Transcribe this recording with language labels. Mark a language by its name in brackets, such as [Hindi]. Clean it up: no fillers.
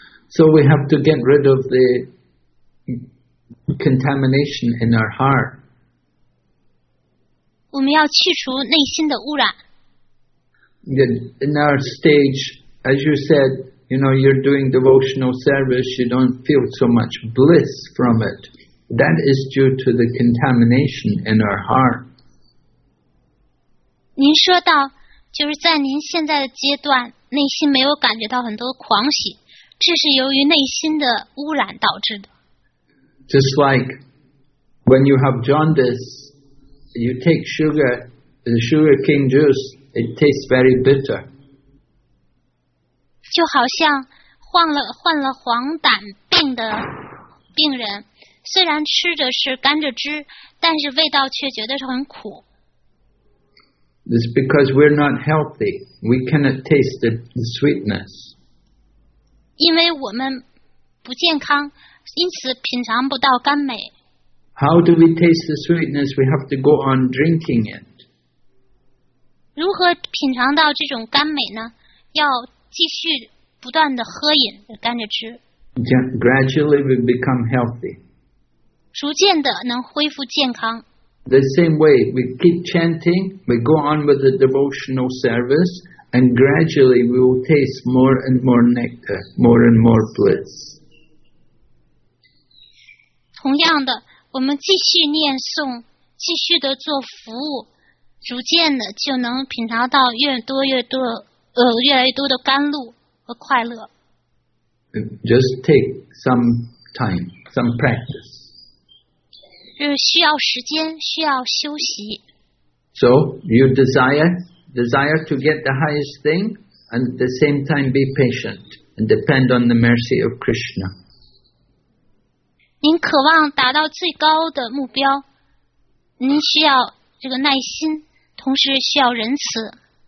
[English] So we have to get rid of the contamination in our heart. [Chinese] 我们要去除内心的污染。 [English] In our stage, as you said, you know, you're doing devotional service, you don't feel so much bliss from it. That is due to the contamination in our heart. [Chinese] 您说到，就是在您现在的阶段，内心没有感觉到很多狂喜，这是由于内心的污染导致的。 [English] Just like when you have jaundice, you take sugar, the sugar cane juice, it tastes very bitter. [Chinese] 就好像患了黄疸病的病人，虽然吃的是甘蔗汁，但是味道却觉得是很苦。 [English] It's because we're not healthy. We cannot taste the sweetness. [Chinese] 因为我们不健康，因此品尝不到甘美。 [English] How do we taste the sweetness? We have to go on drinking it. [Chinese] 如何品尝到这种甘美呢？要继续不断的喝饮甘蔗汁。 [English] Gradually we become healthy. [Chinese] 逐渐的能恢复健康。 [English] The same way, we keep chanting, we go on with the devotional service, and gradually we will taste more and more nectar, more and more bliss. [Chinese] 同样的，我们继续念诵，继续的做服务，逐渐的就能品尝到越来越多的甘露和快乐。 [English] Just take some time, some practice. [Chinese] 就是需要时间，需要休息。 [English] So you desire to get the highest thing, and at the same time be patient and depend on the mercy of Krishna. [Chinese] 您渴望达到最高的目标，您需要这个耐心，同时需要仁慈。